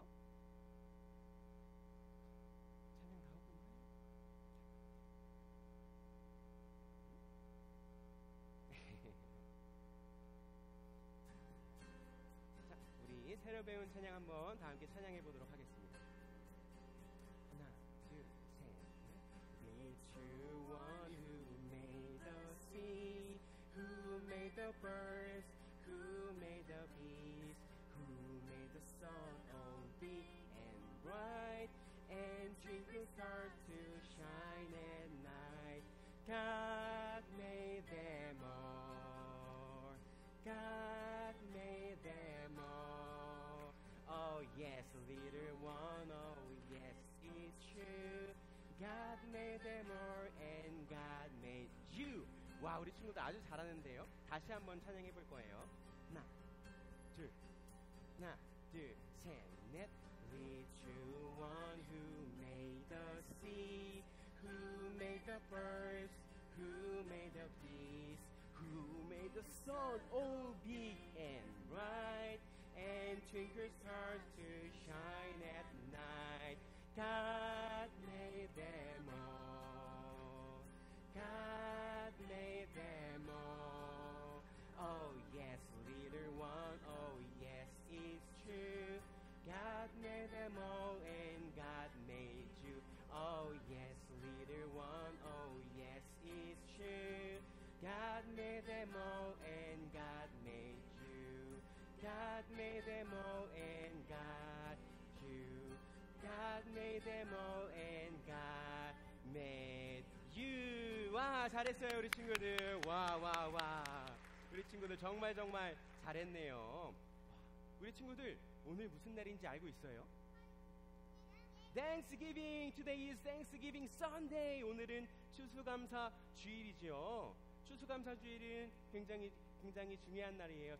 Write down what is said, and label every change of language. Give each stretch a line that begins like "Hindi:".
Korean: 찬양 다 하고 있나요? 자, 우리 새로 배운 찬양 한번 다 함께 찬양해 보도록 하겠습니다. 하나, 둘, 셋.
English: Meet you one who made the sea, who made the birds, who made the bees. Who made the sun all big and bright, and twinkling stars to shine at night? God made them all. God made them all. Oh yes, little one, oh yes, it's true. God made them all, and God made you.
Korean: 와, 우리 친구들 아주 잘하는데요. 다시 한번 찬양해 볼 거예요. 하나, 둘. 하나, 둘, 셋, 넷.
English: With you one who made the sea, who made the birds, who made the bees, who made the sun all big and bright, and twinkle stars to shine at night. God made them all. God made them all. Oh yes, little one, oh yes, it's true. God made them all and God made you. Oh yes, little one, oh yes, it's true. God made them all and God made you. God made them all and God made you. God made them all and God made you.
Korean: 와, 잘했어요, 우리 친구들. 와, 와, 와. 우리 친구들 정말 정말 잘했네요. 우리 친구들 오늘 무슨 날인지 알고 있어요?
English: Thanksgiving! Today is Thanksgiving Sunday!
Korean: 오늘은 추수감사 주일이죠. 추수감사 주일은 굉장히 굉장히 중요한 날이에요.